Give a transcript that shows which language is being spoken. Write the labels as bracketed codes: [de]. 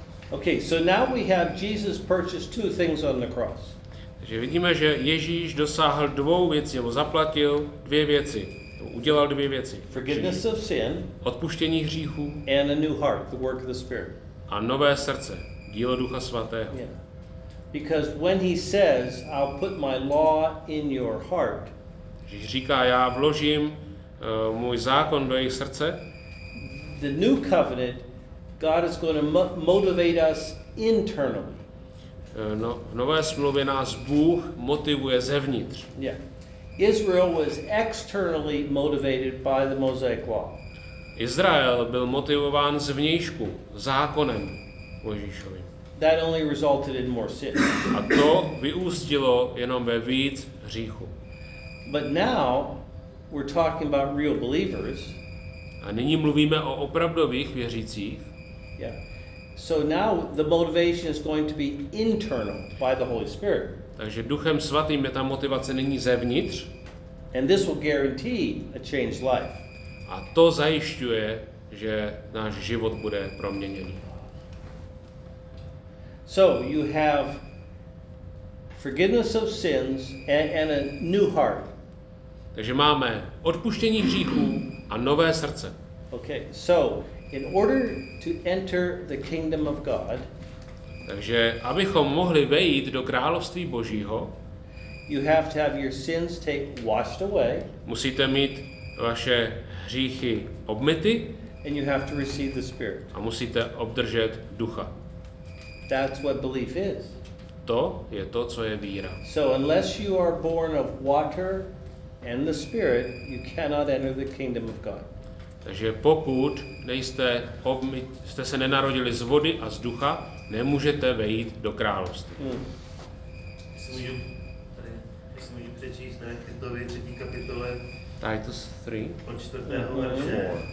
[en] Okay, so now we have Jesus purchased two things on the cross. [cs] Takže vidíme, že Ježíš dosáhl dvou věcí, nebo zaplatil dvě věci, udělal dvě věci. [en] Forgiveness of sin. [cs] Odpuštění hříchů. [en] And a new heart, the work of the Spirit. [cs] A nové srdce, dílo Ducha Svatého. [en] Because when he says, I'll put my law in your heart. [cs] Ježíš říká, já vložím můj zákon do jejich srdce. [en] The new covenant, God is going to motivate us internally. [cs] No, v nové smlouvě nás Bůh motivuje zevnitř. Yeah. [en] Israel was externally motivated by the Mosaic law. [cs] Izrael byl motivován zvnějšku zákonem Mojžíšovým. [en] That only resulted in more sin. [cs] A to vyústilo jenom ve víc hříchu. [en] But now we're talking about real believers. [cs] A nyní mluvíme o opravdových věřících. Yeah. [en] So now the motivation is going to be internal by the Holy Spirit. [cs] Takže Duchem Svatým je ta motivace nyní zevnitř. [en] And this will guarantee a changed life. [cs] A to zajišťuje, že náš život bude proměněný. [en] So you have forgiveness of sins and a new heart. [cs] Takže máme odpuštění hříchů a nové srdce. Okay. [en] So in order to enter the kingdom of God, [cs] takže abychom mohli vejít do království Božího, [en] you have to have your sins take washed away, [cs] musíte mít vaše hříchy obmyty, [en] and you have to receive the Spirit. [cs] A musíte obdržet Ducha. [en] That's what belief is. [cs] To je to, co je víra. [en] So unless you are born of water and the Spirit, you cannot enter the kingdom of God. [cs] Takže pokud nejste jste se nenarodili z vody a z ducha, nemůžete vejít do království. Jestli můžu přečíst na Titovi 3. kapitole [en] Titus 3 [cs] od 4. verše.